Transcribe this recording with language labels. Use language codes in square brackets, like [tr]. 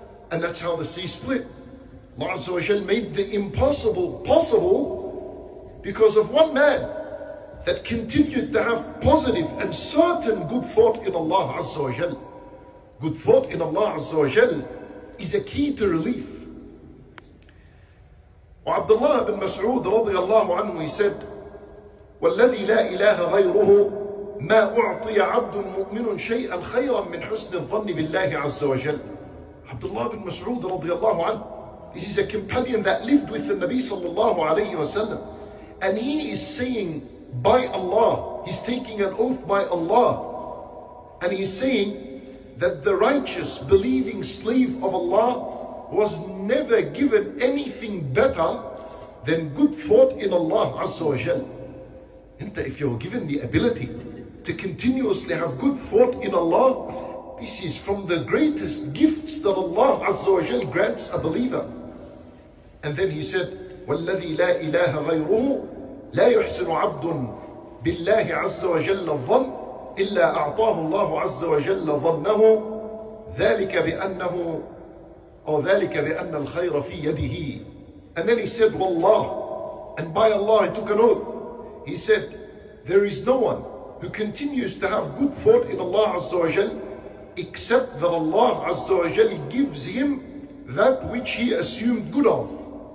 [en] And that's how the sea split. Allah Azza wa Jal made the impossible possible because of one man that continued to have positive and certain good thought in Allah Azza wa Jal. Good thought in Allah Azza wa Jal is a key to relief. [ar] وعبد الله بن مسعود رضي الله عنه [en] said, [ar] والذي لا إله غيره ما أعطي عبد مؤمن شيئا خيرا من حسن الظن بالله عز وجل. [en] عبد الله بن مسعود [ar] رضي الله عنه, [en] this is a companion that lived with the Nabi sallallahu alayhi wa sallam, and he is saying by Allah, he's taking an oath by Allah, and he's saying that the righteous believing slave of Allah was never given anything better than good thought in Allah Azza wa Jal. If you're given the ability to continuously have good thought in Allah This is from the greatest gifts that Allah Azza wa Jal grants a believer. And then he said, [ar] وَالَّذِي لَا إِلَهَ غَيْرُهُ لَا يُحْسِنُ عَبْدٌ بِاللَّهِ عَزَّ وَجَلَّ الظَّنِّ إِلَّا أَعْطَاهُ اللَّهُ عَزَّ وَجَلَّ ظَنَّهُ ذَلِكَ بِأَنَّهُ أَوْ ذَلِكَ بِأَنَّ الْخَيْرَ فِي يَدِهِ. [en] And then he said, وَاللَّهُ, and by Allah, he took an oath. He said, there is no one who continues to have good thought in Allah Azza wa Jal except that Allah Azza wa Jal gives him that which he assumed good of.